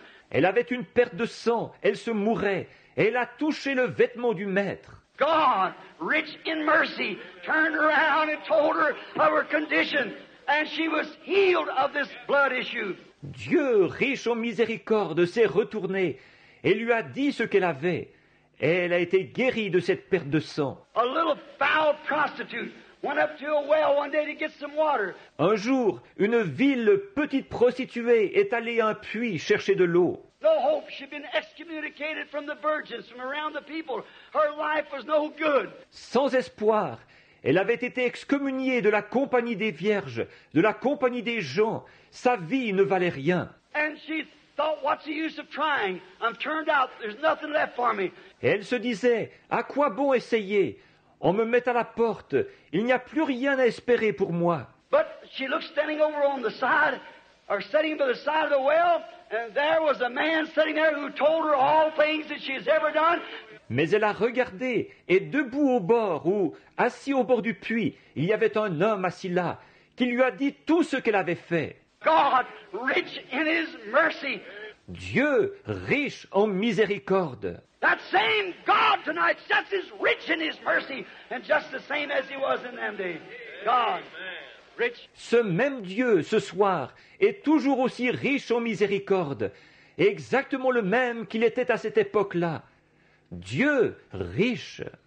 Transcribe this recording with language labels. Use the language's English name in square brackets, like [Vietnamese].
[French] Elle avait une perte de sang. Elle se mourait. Et elle a touché le vêtement du maître. [English] God, rich in mercy, turned around and told her of her condition, and she was healed of this blood issue. [French] Dieu, riche en miséricorde, s'est retourné et lui a dit ce qu'elle avait. Elle a été guérie de cette perte de sang. [English] A little foul prostitute went up to a well one day to get some water. [French] Un jour, une vile petite prostituée est allée à un puits chercher de l'eau. [English] No hope. She'd been excommunicated from the virgins, from around the people. Her life was no good. [French] Sans espoir, elle avait été excommuniée de la compagnie des vierges, de la compagnie des gens. Sa vie ne valait rien. [English] And she thought, what's the use of trying? I'm turned out. There's nothing left for me. [French] Et elle se disait, à quoi bon essayer? On me met à la porte. Il n'y a plus rien à espérer pour moi. [English] But she looked standing over on the side, or sitting by the side of the well. And there was a man sitting there who told her all things that she has ever done. [French] Mais elle a regardé, et debout au bord, ou assis au bord du puits, il y avait un homme assis là, qui lui a dit tout ce qu'elle avait fait. [English] God, rich in his mercy. [French] Dieu, riche en miséricorde. [English] That same God tonight, just as rich in his mercy, and just the same as he was in them days. God. [French] Ce même Dieu, ce soir, est toujours aussi riche en miséricorde, exactement le même qu'il était à cette époque-là. Dieu riche.